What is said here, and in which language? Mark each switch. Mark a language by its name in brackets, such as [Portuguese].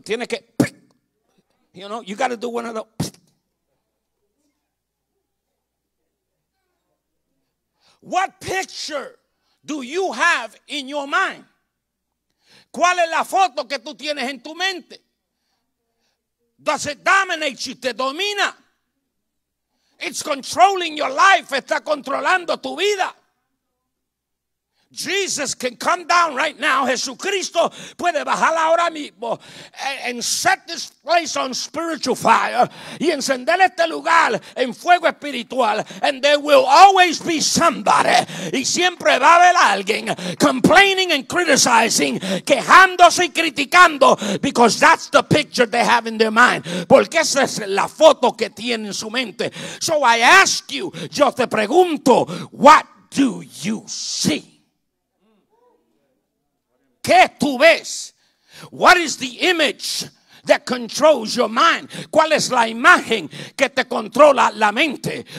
[Spanish] Tiene que, [English] you know, you got to do one of those. What picture do you have in your mind? [Spanish] ¿Cuál es la foto que tú tienes en tu mente? [English] Does it dominate you? [Spanish] ¿Te domina? [English] It's controlling your life. [Spanish] Está controlando tu vida. [English] Jesus can come down right now. [Spanish] Jesucristo puede bajar ahora mismo [English] and set this place on spiritual fire [Spanish] y encender este lugar en fuego espiritual, [English] and there will always be somebody, [Spanish] y siempre va a haber alguien, [English] complaining and criticizing, [Spanish] quejándose y criticando, [English] because that's the picture they have in their mind, [Spanish] porque esa es la foto que tiene en su mente. [English] So I ask you, [Spanish] yo te pregunto, [English] what do you see? [Spanish] ¿Qué tú ves? [English] What is the image that controls your mind? [Spanish] ¿Cuál es la imagen que te controla la mente?